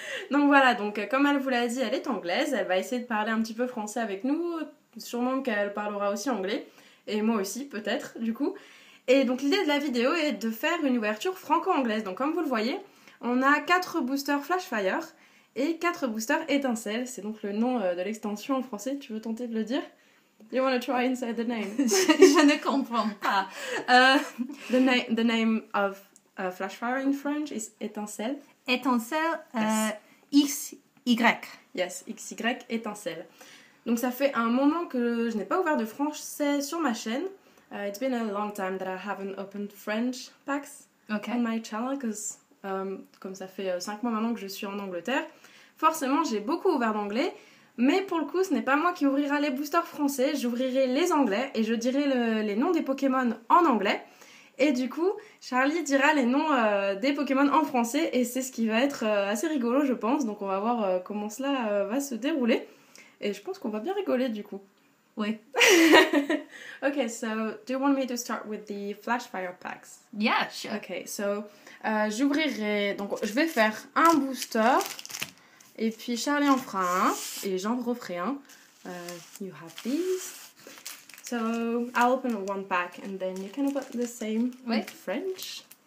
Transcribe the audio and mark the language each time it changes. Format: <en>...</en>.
<fr>Donc voilà, donc comme elle vous l'a dit, elle est anglaise, elle va essayer de parler un petit peu français avec nous, sûrement qu'elle parlera aussi anglais, et moi aussi peut-être du coup. Et donc l'idée de la vidéo est de faire une ouverture franco-anglaise, donc comme vous le voyez, on a 4 boosters Flashfire et 4 boosters étincelles, c'est donc le nom de l'extension en français, tu veux tenter de le dire?</fr> <en>You wanna try inside the name?</en> <fr>je ne comprends pas.</fr> <en>The name of Flashfire in French is étincelle. Étincelle, yes. XY. Yes, XY, étincelle.</en> <fr>Donc ça fait un moment que je n'ai pas ouvert de français sur ma chaîne.</fr> <en>It's been a long time that I haven't opened French packs on my channel, because</en> <fr>comme ça fait 5 mois maintenant que je suis en Angleterre, forcément j'ai beaucoup ouvert d'anglais. Mais pour le coup, ce n'est pas moi qui ouvrira les boosters français, j'ouvrirai les anglais et je dirai les noms des Pokémon en anglais. Et du coup, Charlie dira les noms des Pokémon en français et c'est ce qui va être assez rigolo, je pense. Donc on va voir comment cela va se dérouler. Et je pense qu'on va bien rigoler du coup. Oui.</fr> <en>Ok, so do you want me to start with the Flashfire packs? Yeah, sure. Ok, so</en> <fr>j'ouvrirai. Donc je vais faire un booster. Et puis Charlie en fera un, et j'en referai un.</fr> <en>You have these. So, I'll open one pack, and then you can open the same in French.</en>